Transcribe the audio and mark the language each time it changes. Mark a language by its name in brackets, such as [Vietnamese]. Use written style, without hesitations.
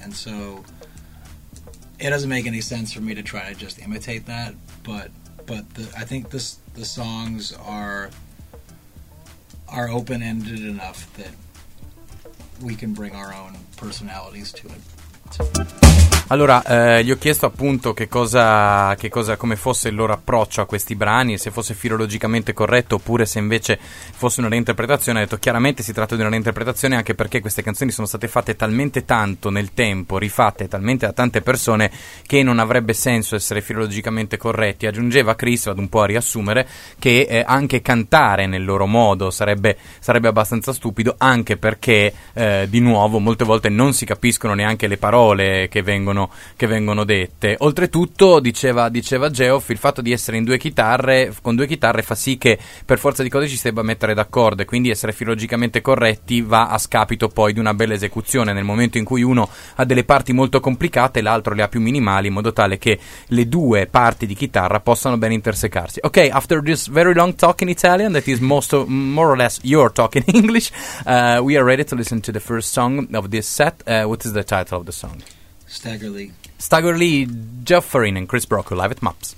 [English] And so it doesn't make any sense for me to try to just imitate that. But I think the songs are open-ended enough that we can bring our own personalities to it. [Italian] Allora, gli ho chiesto appunto che cosa, come fosse il loro approccio a questi brani, se fosse filologicamente corretto oppure se invece fosse una reinterpretazione. Ha detto chiaramente si tratta di una reinterpretazione, anche perché queste canzoni sono state fatte talmente tanto nel tempo, rifatte talmente da tante persone, che non avrebbe senso essere filologicamente corretti. Aggiungeva Chris, vado un po' a riassumere, che anche cantare nel loro modo sarebbe abbastanza stupido, anche perché, di nuovo, molte volte non si capiscono neanche le parole che vengono dette. Oltretutto, diceva Geoff, il fatto di essere con due chitarre fa sì che per forza di cose ci si debba mettere d'accordo, e quindi essere filologicamente corretti va a scapito poi di una bella esecuzione, nel momento in cui uno ha delle parti molto complicate e l'altro le ha più minimali, in modo tale che le due parti di chitarra possano ben intersecarsi. [English] Ok, after this very long talk in Italian, that is more or less your talk in English, we are ready to listen to the first song of this set. What is the title of the song? Staggerly. Staggerly, Geoff Farin and Chris Brocco live at MUPS.